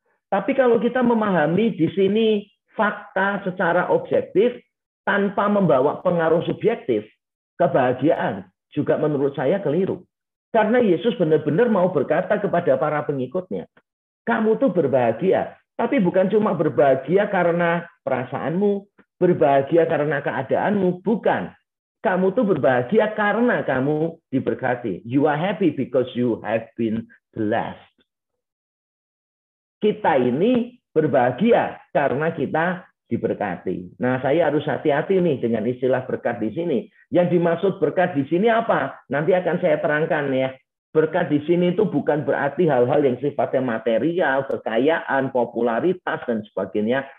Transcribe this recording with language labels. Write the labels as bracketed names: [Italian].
[Indonesian] Tapi kalau kita memahami di sini fakta secara objektif, tanpa membawa pengaruh subjektif, kebahagiaan juga menurut saya keliru. Karena Yesus benar-benar mau berkata kepada para pengikutnya, kamu tuh berbahagia, tapi bukan cuma berbahagia karena perasaanmu, berbahagia karena keadaanmu, bukan. Kamu tuh berbahagia karena kamu diberkati. [English] You are happy because you have been blessed. [Indonesian] Kita ini berbahagia karena kita diberkati. Nah, saya harus hati-hati nih dengan istilah berkat di sini. Yang dimaksud berkat di sini apa? Nanti akan saya terangkan ya. Berkat di sini itu bukan berarti hal-hal yang sifatnya material, kekayaan, popularitas, dan sebagainya.